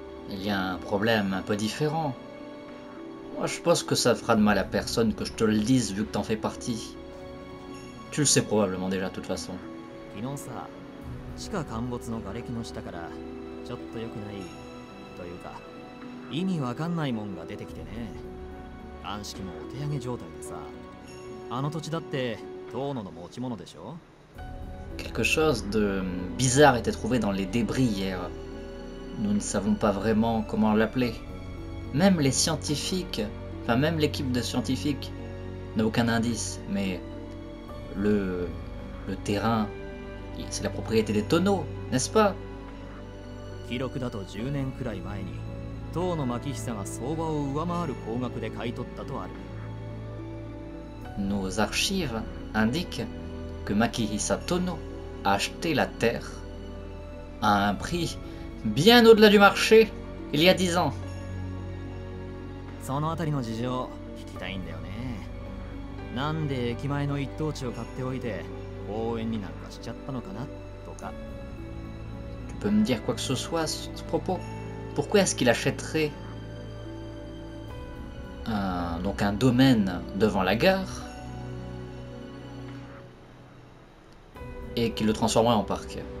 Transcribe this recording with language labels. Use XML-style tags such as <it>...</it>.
<fr>Il y a un problème un peu différent. Moi, je pense que ça fera de mal à personne que je te le dise vu que t'en fais partie. Tu le sais probablement déjà de toute façon.</fr> <ja>地下陥没の瓦礫の下からちょっと良くないというか意味わかんないもんが出てきてね。暗式もお手上げ状態でさ。あの土地だって遠野の持ち物でしょ。</ja> <fr>Quelque chose de bizarre était trouvé dans les débris hier. Nous ne savons pas vraiment comment l'appeler. Même les scientifiques, enfin même l'équipe de scientifiques n'a aucun indice, mais le terrain, c'est la propriété des tonneaux, n'est-ce pas ?</fr> <ja>Kirokudato 10 年くらい前に、遠野牧久が相場を上回る高額で買い取ったとある。</ja> <fr>Nos archives indiquent que Makihisa Tono a acheté la terre à un prix bien au-delà du marché il y a 10 ans.</fr> <ja>その辺りの事情を聞きたいんだよね。なんで駅前の一等地を買っておいて公園になんかしちゃったのかなとか。</ja> <fr>Tu peux me dire quoi que ce soit à ce propos? Pourquoi est-ce qu'il achèterait un domaine devant la gare et qu'il le transformerait en parc?</fr>